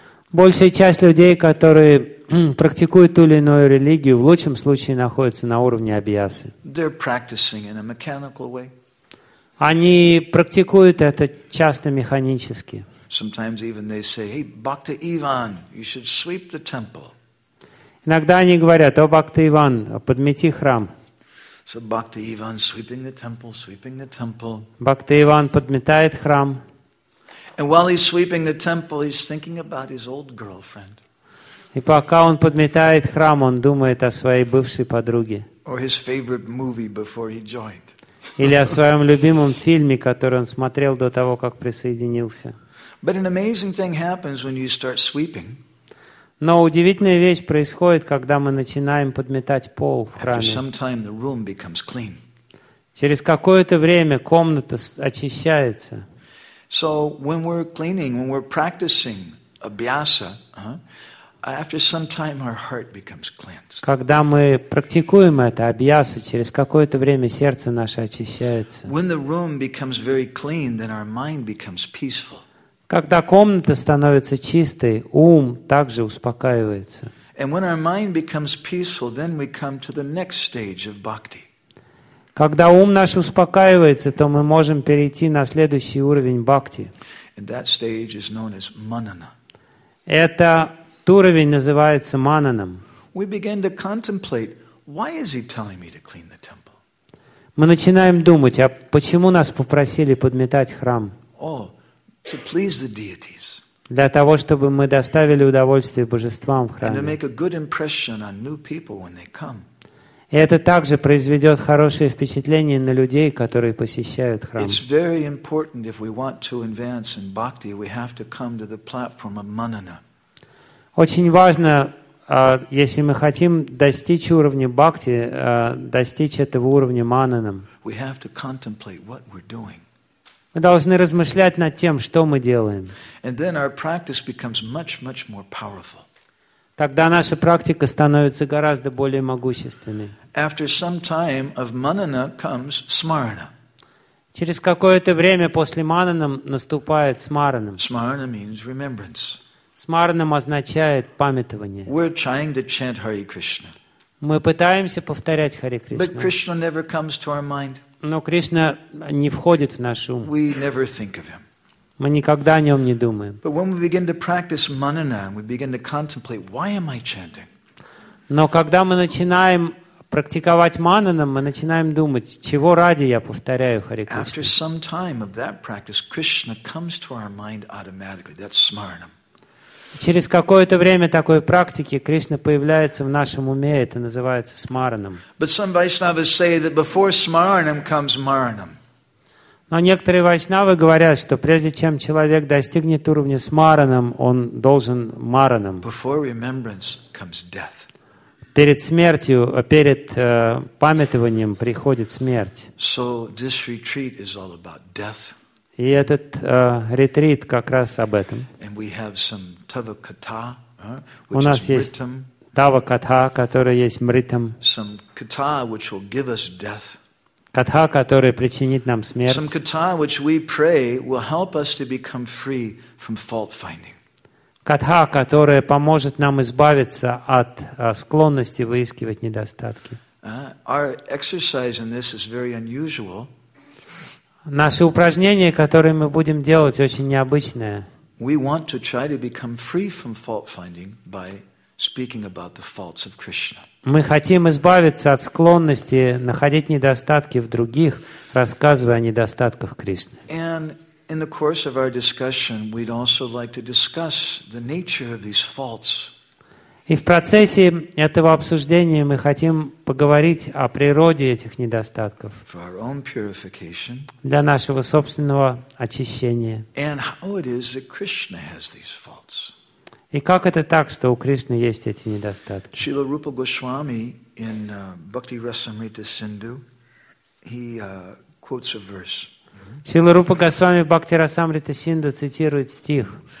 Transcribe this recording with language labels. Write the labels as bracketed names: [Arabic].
[Russian] Большая часть людей, которые практикуют ту или иную религию, в лучшем случае находятся на уровне абьясы. [English] They're practicing in a mechanical way. [Russian] Они практикуют это часто механически. [English] Sometimes even they say, "Hey, Bhakta Ivan, you should sweep the temple." [Russian] Иногда они говорят, о, Бхакта Иван, подмети храм. [English] So Bhakta Ivan sweeping the temple, sweeping the temple. [Russian] Бхакта Иван подметает храм. [English] And while he's sweeping the temple, he's thinking about his old girlfriend. [Russian] И пока он подметает храм, он думает о своей бывшей подруге. [English] Or his favorite movie before he joined. [Russian] Или о своем любимом фильме, который он смотрел до того, как присоединился. [English] But an amazing thing happens when you start sweeping. [Russian] Но удивительная вещь происходит, когда мы начинаем подметать пол в храме. [English] After some time, the room becomes clean. [Russian] Через какое-то время комната очищается. [English] So when we're cleaning, when we're practicing abhyasa, after some time our heart becomes cleansed. [Russian] Когда мы практикуем это абьяса, через какое-то время сердце наше очищается. [English] When the room becomes very clean, then our mind becomes peaceful. [Russian] Когда комната становится чистой, ум также успокаивается. [English] And when our mind becomes peaceful, then we come to the next stage of bhakti. [Russian] Когда ум наш успокаивается, то мы можем перейти на следующий уровень бхакти. [English] And that stage is known as manana. [Russian] Этот уровень называется мананом. [English] We begin to contemplate, why is he telling me to clean the temple? [Russian] Мы начинаем думать, а почему нас попросили подметать храм? [English] Oh, to please the deities. [Russian] Для того, чтобы мы доставили удовольствие божествам в храме. [English] And to make a good impression on new people when they come. [Russian] И это также произведет хорошее впечатление на людей, которые посещают храм. [English] It's very important if we want to advance in bhakti, we have to come to the platform of manana. [Russian] Очень важно, если мы хотим достичь уровня бхакти, достичь этого уровня мананам. [English] We have to contemplate what we're doing. [Russian] Мы должны размышлять над тем, что мы делаем. [English] And then our practice becomes much, much more powerful. [Russian] Тогда наша практика становится гораздо более могущественной. [English] After some time of manana comes smarana. [Russian] Через какое-то время после мананам наступает смаранам. [English] Smarana means remembrance. [Russian] Смаранам означает памятование. [English] We're trying to chant Hare Krishna. [Russian] Мы пытаемся повторять Харе Кришна. [English] But Krishna never comes to our mind. [Russian] Но Кришна не входит в наш ум. [English] We never think of him. [Russian] Мы никогда о нем не думаем. [English] But when we begin to practice manana, we begin to contemplate, why am I chanting? [Russian] Но когда мы начинаем практиковать мананам, мы начинаем думать, чего ради я повторяю Харе Кришна. [English] After some time of that practice, Krishna comes to our mind automatically. That's smaranam. [Russian] Через какое-то время такой практики Кришна появляется в нашем уме, это называется смаранам. [English] But some Vaishnavas say that before smaranam comes maranam. [Russian] Но некоторые вайшнавы говорят, что прежде чем человек достигнет уровня смаранам, он должен маранам. [English] Before remembrance comes death. [Russian] Перед смертью, перед памятованием приходит смерть. [English] So this retreat is all about death. [Russian] И этот ретрит как раз об этом. [English] And we have some tava-kata, [Russian] у нас есть тава-катха, которая есть мритам. [English] Some kata, which will give us death. [Russian] Катха, которая причинит нам смерть. [English] Some katha which we pray will help us to become free from fault finding. [Russian] Катха, которая поможет нам избавиться от склонности выискивать недостатки. [English] Our exercise in this is very unusual. [Russian] Наше упражнение, которое мы будем делать, очень необычное. [English] We want to try to become free from fault finding by speaking about the faults of Krishna. [Russian] Мы хотим избавиться от склонности находить недостатки в других, рассказывая о недостатках Кришны. [English] And in the course of our discussion, we'd also like to discuss the nature of these faults. [Russian] И в процессе этого обсуждения мы хотим поговорить о природе этих недостатков. [English] For our own purification. [Russian] Для нашего собственного очищения. [English] And how it is that Krishna has these faults. [Russian] И как это так, что у Кришны есть эти недостатки? [English] Шрила Рупа Госвами in Bhakti Rasamrita Sindhu, he quotes a verse. [Russian] Шрила Рупа Госвами Бхакти Расамрита Синду цитирует стих.